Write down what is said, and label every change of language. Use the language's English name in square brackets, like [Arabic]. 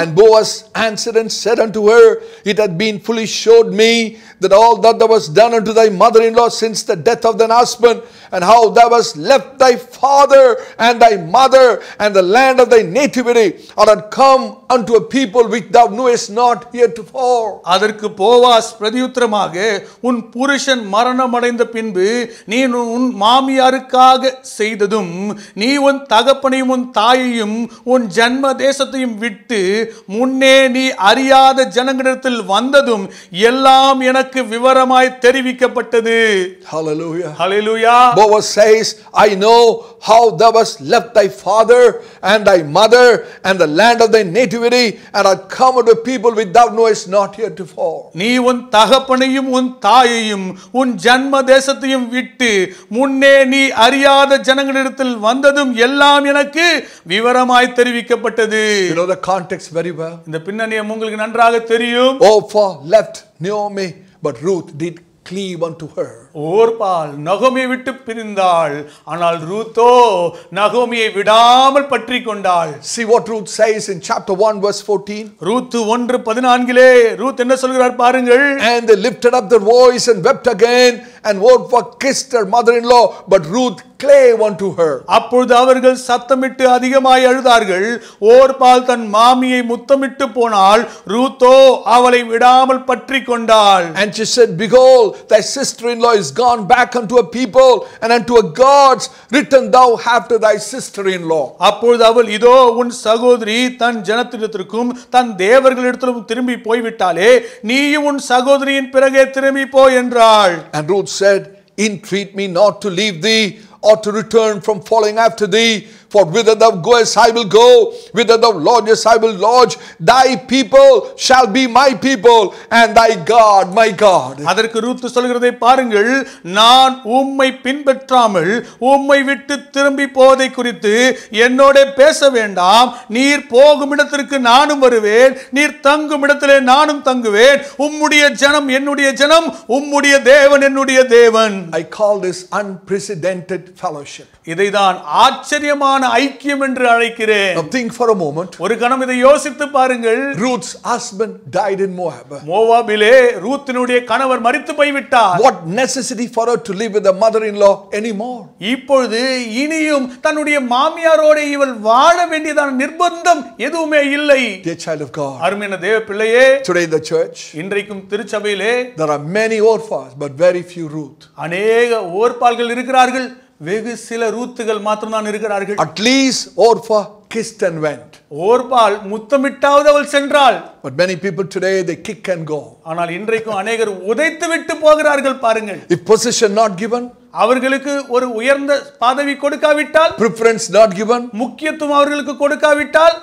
[English] And Boaz answered and said unto her, it hath been fully showed me that all that thou hast done unto thy mother-in-law since the death of thine husband, and how thou hast left thy father and thy mother and the land of thy nativity, and hast come unto a people which thou knewest not heretofore. [Tamil] அதற்கு Boaz பிரதியுத்தரமாக, உன் புருஷன் மரணமடைந்த பின்பு நீ உன் மாமியாருக்காக செய்ததும், நீ உன் தகப்பனையும் உன் தாயையும் உன் ஜன்ம தேசத்தையும் விட்டு முன்னே நீ அறியாத ஜனங்களிடத்தில் வந்ததும் எல்லாம் என விவரமாய் தெரிவிக்கப்பட்டது. [English] Hallelujah. Hallelujah. Boaz says, I know how thou hast left thy father and thy mother and the land of thy nativity and art come unto people which thou knowest not heretofore. [Tamil] நீ உன் தகப்பனையும் உன் தாயையும் உன் ஜன்ம தேசத்தையும் விட்டு முன்னே நீ அறியாத ஜனங்களிடத்தில் வந்ததும் எல்லாம் எனக்கு விவரமாய் தெரிவிக்கப்பட்டது. [English] You know the context very well. [Tamil] இந்த பின்னணியை உங்களுக்கு நன்றாக தெரியும். [English] Orpah left Naomi, but Ruth did cleave unto her. [Tamil] ஓர்பால் நகோமியை விட்டு பிரிந்தாள், ஆனால் ரூத்தோ நகோமியை விடாமல் பற்றி கொண்டாள். [English] See what Ruth says in chapter 1 verse 14. [Tamil] Ruth 1:14லே Ruth என்ன சொல்கிறார் பாருங்கள். [English] And they lifted up their voice and wept again, and Orpah kissed her mother-in-law, but Ruth clave unto her. [Tamil] அப்பொழுது அவர்கள் சத்தமிட்டு அதிகமாய் அழுதார்கள். ஓர்பால் தன் மாமியை முத்தமிட்டு போனால் ரூத்தோ அவளை விடாமல் பற்றி கொண்டாள். [English] And she said, behold, thy sister-in-law is gone back unto a people and unto a gods, return thou after thy sister-in-law. [Tamil] அப்பொழுது அவள், இதோ உன் சகோதரி தன் ஜனத்திற்கும் தன் தேவர்களிடத்திற்கும் திரும்பி போய்விட்டாலே நீயும் உன் சகோதரியின் பிறகே திரும்பி போ என்றாள். [English] And Ruth said, entreat me not to leave thee or to return from following after thee, for whither thou goest I will go, whither thou lodgest I will lodge, thy people shall be my people and thy God my God. [Tamil] அதற்கு Ruth சொல்கிறதை பாருங்கள். நான் உம்மை பின்பற்றாமல் உம்மை விட்டு திரும்பி போவதை குறித்து என்னோட பேச வேண்டாம். நீர் போகும் இடத்திற்கு நானும் வருவேன், நீர் தங்கும் இடத்திலே நானும் தங்குவேன். உம்முடைய ஜனம் என்னுடைய ஜனம், உம்முடைய தேவன் என்னுடைய தேவன். [English] I call this unprecedented fellowship. [Tamil] இதைதான் ஆச்சரியமான ஐக்கியம் என்று அழைக்கிறேன். [English] Now think for a moment. [Tamil] ஒரு கணம் இதை யோசித்து பாருங்கள். [English] Ruth's husband died in Moab. [Tamil] மோவாபிலே ரூத்தினுடைய கணவர் மரித்து போய்விட்டார். [English] What necessity for her to live with her mother-in-law anymore? [Tamil] இப்பொழுது இனியும் தன்னுடைய மாமியாரோடு இவள் வாழ வேண்டியதான நிர்பந்தம் எதுவுமே இல்லை. [English] Dear child of God. [Tamil] அருமையான தேவ பிள்ளையே. [English] Today in the church. [Tamil] இன்றைக்கும் திருச்சபையிலே. [English] There are many Orphans, but very few Ruth. [Tamil] அநேக ஓர்பால்கள் இருக்கிறார்கள், வெகு சில ரூத்துகள் மட்டும் தான் இருக்கிறார்கள். [English] At least Orpah kissed and went. [Tamil] ஓர்பால் முத்தமிட்டாவது அவள் சென்றாள். [English] But many people today, they kick and go. [Tamil] ஆனால் இன்றைக்கும் அநேகர் உதைத்து விட்டு போகிறார்கள் பாருங்கள். [English] If position not given, [Tamil] அவர்களுக்கு ஒரு உயர்ந்த பதவி கொடுக்காவிட்டால், [English] preference not given, [Tamil] முக்கியத்துவம் அவர்களுக்கு கொடுக்காவிட்டால்,